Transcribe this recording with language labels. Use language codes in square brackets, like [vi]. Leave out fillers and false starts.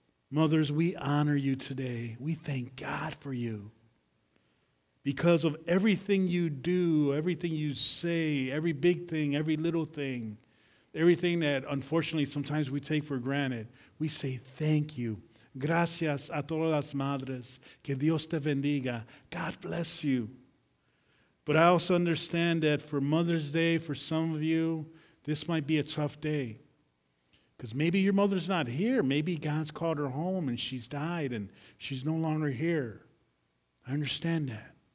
[en] Mothers, we honor you today. We thank God for you. Because of everything you do, everything you say, every big thing, every little thing, everything that unfortunately sometimes we take for granted, we say thank you. [es] Gracias a todas las madres. Que Dios te bendiga. [en] God bless you. But I also understand that for Mother's Day, for some of you, this might be a tough day. Because maybe your mother's not here. Maybe God's called her home and she's died and she's no longer here. I understand that.